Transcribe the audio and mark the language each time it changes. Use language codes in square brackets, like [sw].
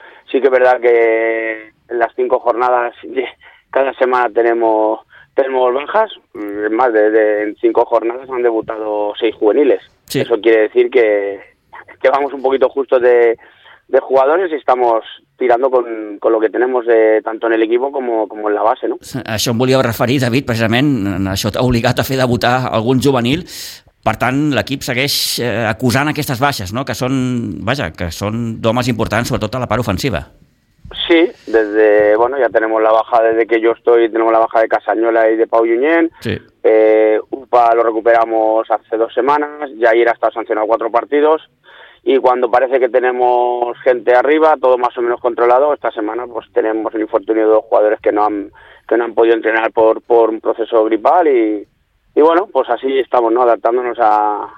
[es] Sí que es verdad que en las cinco jornadas, cada semana tenemos bajas, más de en cinco jornadas han debutado seis juveniles. Sí. Eso quiere decir que vamos un poquito justos de jugadores y estamos tirando con lo que tenemos tanto en el equipo como en la base, ¿no? [ca] Això em volia referir, David, precisament, això t'ha obligat a fer debutar algun juvenil. Per tant, l'equip segueix acusant aquestes baixes, ¿no?, que són, vaja, que són d'homes importants, sobretot a la part ofensiva. [es] Sí, bueno, ya tenemos la baja desde que yo estoy, tenemos la baja de Casañola y de Pau Junyent. Sí. Upa lo recuperamos hace dos semanas, Jair ha estado sancionado cuatro partidos, y cuando parece que tenemos gente arriba, todo más o menos controlado, esta semana pues tenemos el infortunio de dos jugadores que no han podido entrenar por un proceso gripal y bueno, pues así estamos, ¿no?, adaptándonos a...